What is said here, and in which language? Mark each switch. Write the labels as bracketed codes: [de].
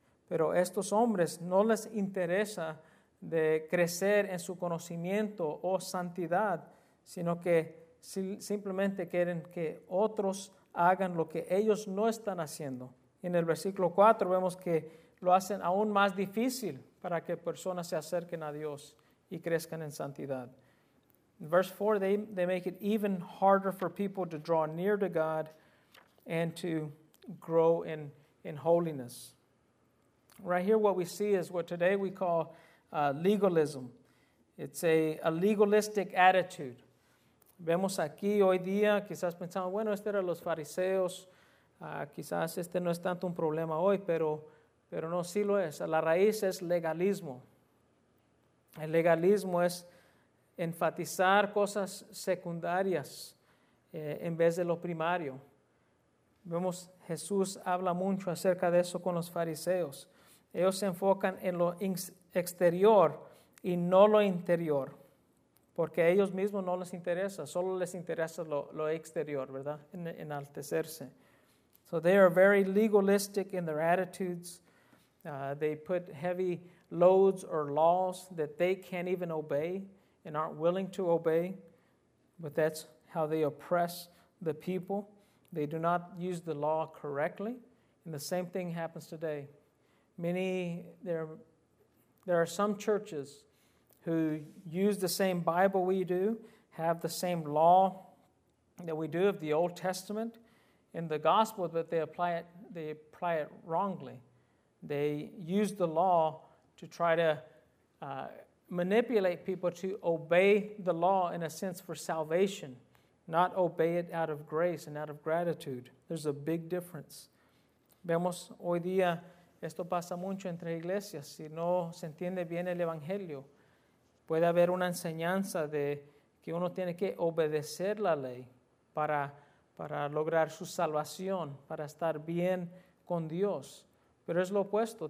[es] Pero a estos hombres no les interesa de crecer en su conocimiento o santidad, sino que simplemente quieren que otros hagan lo que ellos no están haciendo. En el versículo 4 vemos que lo hacen aún más difícil para que personas se acerquen a Dios y crezcan en santidad. [en] In verse 4, they make it even harder for people to draw near to God and to grow in holiness. Right here, what we see is what today we call legalism. It's a legalistic attitude. [es] Vemos aquí hoy día, quizás pensamos, bueno, este era los fariseos, quizás este no es tanto un problema hoy, pero no, sí lo es. La raíz es legalismo. El legalismo es enfatizar cosas secundarias en vez de lo primario. Vemos Jesús habla mucho acerca de eso con los fariseos. Ellos se enfocan en lo exterior y no lo interior, porque a ellos mismos no les interesa, solo les interesa lo exterior, ¿verdad? Enaltecerse. [en] So they are very legalistic in their attitudes. They put heavy loads or laws that they can't even obey and aren't willing to obey, but that's how they oppress the people. They do not use the law correctly. And the same thing happens today. There are some churches who use the same Bible we do, have the same law that we do of the Old Testament in the gospel, but they apply it wrongly. They use the law to try to manipulate people to obey the law in a sense for salvation, not obey it out of grace and out of gratitude. There's a big difference. [es] Vemos hoy día, esto pasa mucho entre iglesias. Si no se entiende bien el evangelio, puede haber una enseñanza de que uno tiene que obedecer la ley para lograr su salvación, para estar bien con Dios. Pero es lo opuesto.